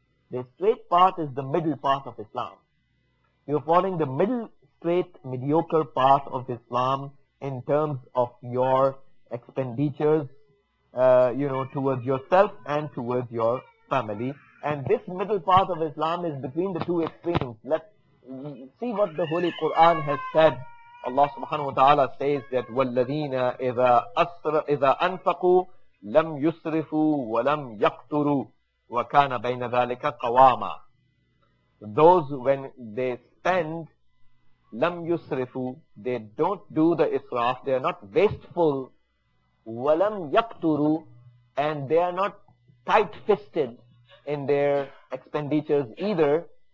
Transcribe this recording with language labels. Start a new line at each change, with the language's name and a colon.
English: The straight path is the middle path of Islam. You're following the middle, straight, mediocre path of Islam in terms of your expenditures, you know, towards yourself and towards your family. And this middle path of Islam is between the two extremes. Let's see what the Holy Quran has said. Allah subhanahu wa ta'ala says that
Arabic: وَالَّذِينَ إِذَا أَنفَقُوا لَمْ يُسْرِفُوا وَلَمْ يَقْتُرُوا وَكَانَ بَيْنَ ذَلِكَ قَوَامًا.
English: Those when they spend,
Arabic: لَمْ يُسْرِفُوا,
English: they don't do the israf, they are not wasteful,
Arabic: وَلَمْ يَقْتُرُوا,
English: and they are not tight-fisted in their expenditures either.